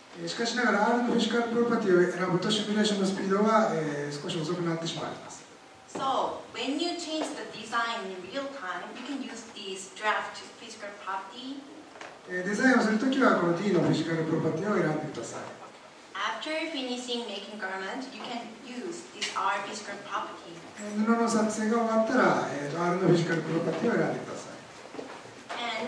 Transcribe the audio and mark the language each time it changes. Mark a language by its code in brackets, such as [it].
[ja] しかしながら R のフィジカルプロパティを選ぶとシミュレーションのスピードは、少し遅くなってしまいます。 [en] So, when you change the design in real time, you can use this draft physical property. [ja] デザインをするときはこの D のフィジカルプロパティを選んでください。 [en] After finishing making garment, you can use this R physical property. [ja] 布の作成が終わったら、R のフィジカルプロパティを選んでください。